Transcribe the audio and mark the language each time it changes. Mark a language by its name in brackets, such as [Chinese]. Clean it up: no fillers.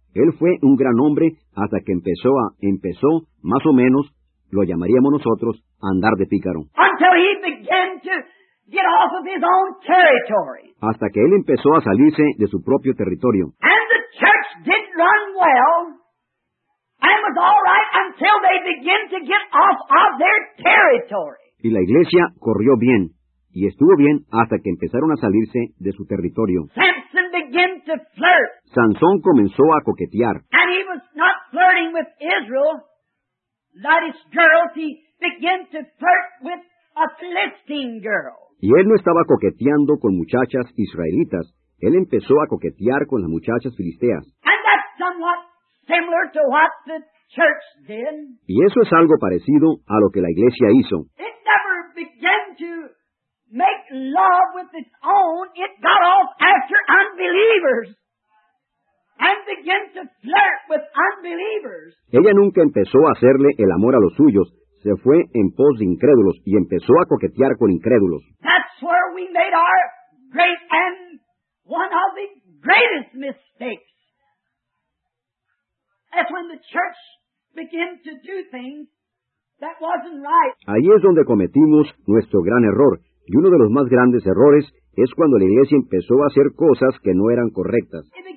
[Spanish] Él fue un gran hombre hasta que empezó más o menos, lo llamaríamos nosotros, andar de pícaro. [English] Until he began to get off of his own territory. [Spanish] Hasta que él empezó a salirse de su propio territorio. [English] And the church didn't run well and was all right until they began to get off of their territory. [Spanish] Y la iglesia corrió bien y estuvo bien hasta que empezaron a salirse de su territorio. [English] Samson began to flirt. [Spanish] Sansón comenzó a coquetear. [English] And he was not flirting with Israel. That is, girls, he began to flirt with a Philistine girl. [Spanish] Y él no estaba coqueteando con muchachas israelitas. Él empezó a coquetear con las muchachas filisteas. [English] And that's somewhat similar to what the church did. [Spanish] Y eso es algo parecido a lo que la iglesia hizo. [English] It never began to make love with its own. It got off after unbelievers. And began to flirt with unbelievers. [Spanish] Ella nunca empezó a hacerle el amor a los suyos. Se fue en pos de incrédulos y empezó a coquetear con incrédulos. [English] That's where we made our great and one of the greatest mistakes. That's when the church began to do things that wasn't right. [Spanish] Ahí es donde cometimos nuestro gran error. Y uno de los más grandes errores es cuando la iglesia empezó a hacer cosas que no eran correctas.